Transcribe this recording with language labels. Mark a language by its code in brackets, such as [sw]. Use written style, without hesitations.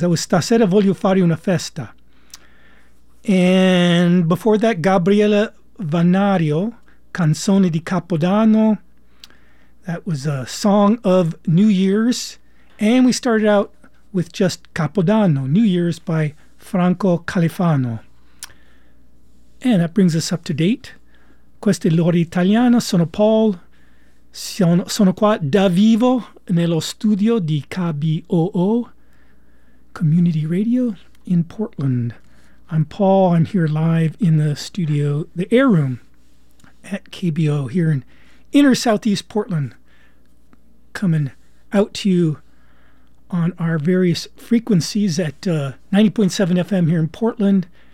[en] That was Stasera Voglio Fare Una Festa. And before that, Gabriele Vanario, Canzone di Capodanno. That was a song of New Year's. And we started out with just Capodanno, New Year's by Franco Califano. And that brings us up to date. [it] Queste l'ora italiana, sono Paul, sono qua da vivo nello studio di KBOO, Community Radio in Portland. [en] I'm Paul, I'm here live in the studio, the air room at KBOO here in inner southeast Portland, coming out to you on our various frequencies at 90.7 FM here in Portland,